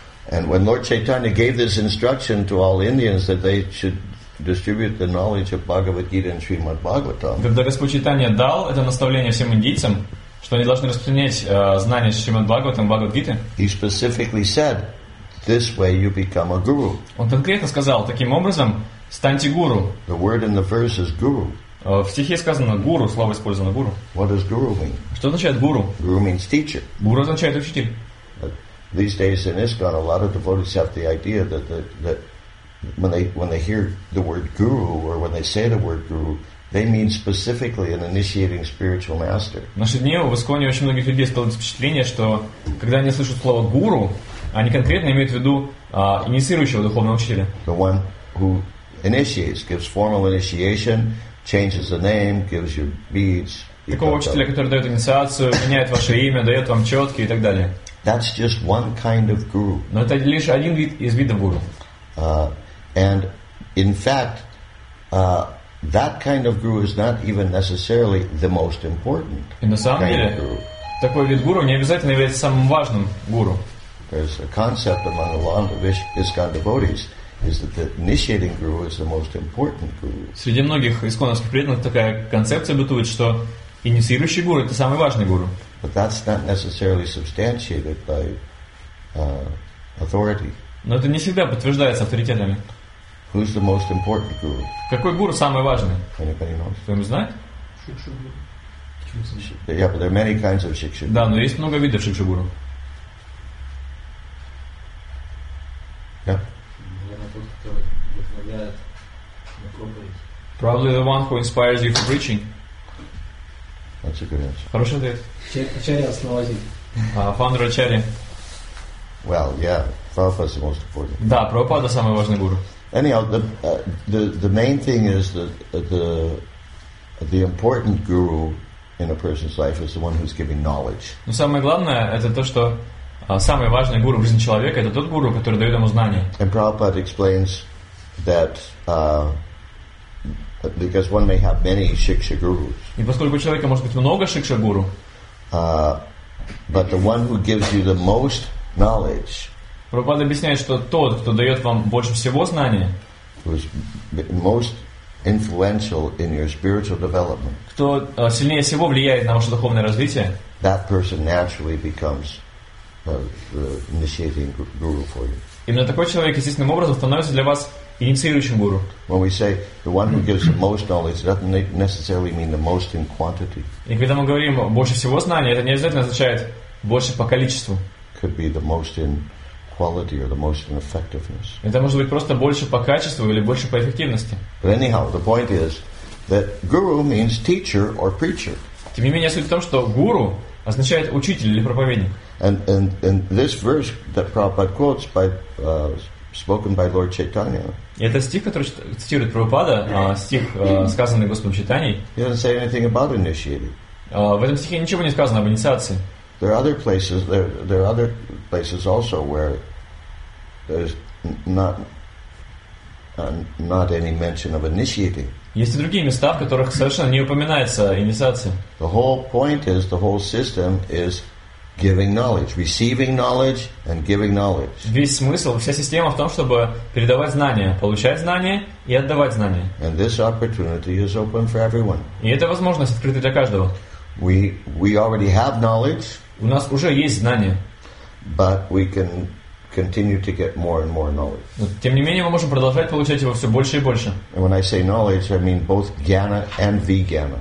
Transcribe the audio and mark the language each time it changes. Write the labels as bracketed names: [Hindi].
[English] And when Lord Chaitanya gave this instruction to all Indians that they should distribute the knowledge of Bhagavad Gita and Srimad Bhagavatam. [Russian] Когда Господь Чайтанья дал это наставление всем индийцам, что они должны распространять знания Шримад Бхагаватам, Бхагавад Гиты, [English] he specifically said, "This way you become a guru." [Russian] Он конкретно сказал, таким образом станьте гуру. [English] The word in the verse is guru. [Russian] В стихе сказано гуру, слово использовано гуру. [English] What does guru mean? [Russian] Что означает гуру? [English] Guru means teacher. [Russian] Гуру означает учитель. [English] But these days in ISKCON, a lot of devotees have the idea that When they hear the word guru or when they say the word guru, they mean specifically an initiating spiritual master. [Russian] В наши дни в Исконе очень многих людей складывается впечатление, что когда они слышат слово гуру, они конкретно имеют в виду инициирующего духовного учителя. [English] The one who initiates, gives formal initiation, changes the name, gives you beads. [Russian] Такого учителя, который дает инициацию, меняет ваше имя, дает вам четки и так далее. [English] That's just one kind of guru. [Russian] Но это лишь один вид из видов гуру. [English] And in fact, that kind of guru is not even necessarily the most important. [Russian] И на самом деле, такой вид гуру не обязательно является самым важным гуру. [English] There's a concept among a lot of ISKCON devotees is that the initiating guru is the most important guru. [Russian] Среди многих исконных преданных такая концепция бытует, что инициирующий гуру это самый важный гуру. [English] But that's not necessarily substantiated by authority. [Russian] Но это не всегда подтверждается авторитетами. [English] Who's the most important guru? [Russian] Какой гуру самый важный? [English] Anybody knows? [Russian] Кто-нибудь знает? [English] Шикшу-гуру. Yeah, but there are many kinds of шикшу-гуру. [Russian] Да, но есть много видов шикшу-гуру. [English] Yeah. Probably the one who inspires you for preaching. That's a good answer. [Russian] Хороший ответ. Ачарья-основатель. [English] Фаундер Ачарья. Well, yeah. Prabhupada is the most important. [Russian] Да, Прабхупада самый важный гуру. [English] Anyhow, the main thing is that the important guru in a person's life is the one who's giving knowledge. [Russian] Но самое главное это то, что самый важный гуру в жизни человека это тот гуру, который дает ему знания. [English] And Prabhupada explains that because one may have many shiksha gurus. [Russian] И поскольку у человека может быть много шикша гуру. [English] But the one who gives you the most knowledge. [Russian] Прабхупада объясняет, что тот, кто дает вам больше всего знания, [English] most influential in your spiritual development, [Russian] кто сильнее всего влияет на ваше духовное развитие, [English] that person naturally becomes the initiating guru for you. [Russian] Именно такой человек естественным образом становится для вас инициирующим гуру. [English] When we say the one who gives the most knowledge, it doesn't necessarily mean the most in quantity. [Russian] И когда мы говорим больше всего знания, это не обязательно означает больше по количеству. [English] Could be the most in quality or the most in effectiveness. [Russian] Это может быть просто больше по качеству или больше по эффективности. [English] But anyhow, the point is that guru means teacher or preacher. [Russian] Тем не менее, суть в том, что гуру означает учитель или проповедник. [English] And this verse that Prabhupada quotes by spoken by Lord Chaitanya. [Russian] Это стих, который цитирует Прабхупада, стих, сказанный Господом Чайтаньей. [English] He doesn't say anything about initiating. [Russian] В этом стихе ничего не сказано об инициации. [English] There are other places also where there's not any mention of initiating. [Russian] Есть и другие места, в которых совершенно не упоминается инициация. [English] The whole point is, the whole system is giving knowledge, receiving knowledge and giving knowledge. [Russian] Весь смысл, вся система в том, чтобы передавать знания, получать знания и отдавать знания. [English] And this opportunity is open for everyone. [Russian] И эта возможность открыта для каждого. [English] We already have knowledge. [Russian] У нас уже есть знания. [English] But we can continue to get more and more knowledge. [Russian] Тем не менее, мы можем продолжать получать его все больше и больше. [English] And when I say knowledge, I mean both jnana and vijnana.